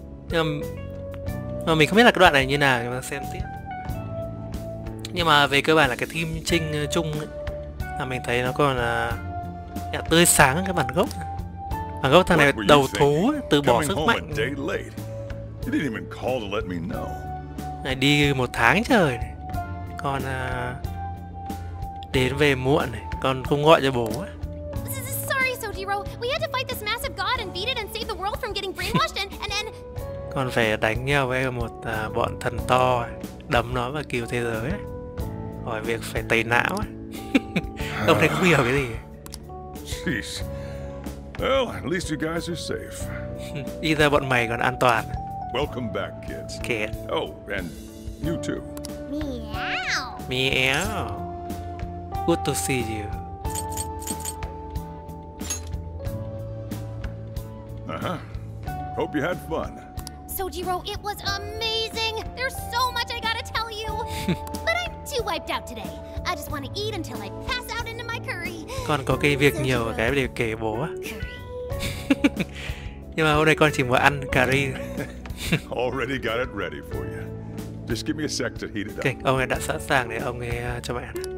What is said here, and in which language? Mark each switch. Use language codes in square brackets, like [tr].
[vi] Nhưng mà mình không biết là cái đoạn này như nào, chúng ta xem tiếp. Nhưng mà về cơ bản là cái team trinh chung ấy, là mình thấy nó còn tươi sáng cái bản gốc. Bản gốc thằng này đầu thú ấy, từ bỏ sức mạnh. [en] You didn't even call to let me know. [vi] Này đi một tháng trời này. Con đến về muộn này, con không gọi cho bố. [en] Sorry, Sojiro. We had to fight this massive god and beat it and save the world from getting brainwashed and then [vi] con phải đánh nhau với một bọn thần to đấm nó và cứu thế giới ấy. Hỏi việc phải tẩy não ấy. Ông thấy không hiểu cái gì. [en] Jeez. Well, at least you guys are safe. [vi] Either bọn mày còn an toàn. [en] Welcome back, kids. Kid. Oh, and you too. Meow. Meow. Good to see you. Uh-huh. Hope you had fun. Sojiro, it was amazing. There's so much I gotta tell you. But I'm too wiped out today. I just want to eat until I pass out into my curry. [vi] Con có cái việc nhiều cái để kể bố á. Nhưng mà hôm nay con chỉ muốn ăn cà ri. [en] Already got it ready for you. Just give me a sec to heat it up. [vi] Okay, ông ấy đã sẵn sàng để ông ấy cho mẹ ăn.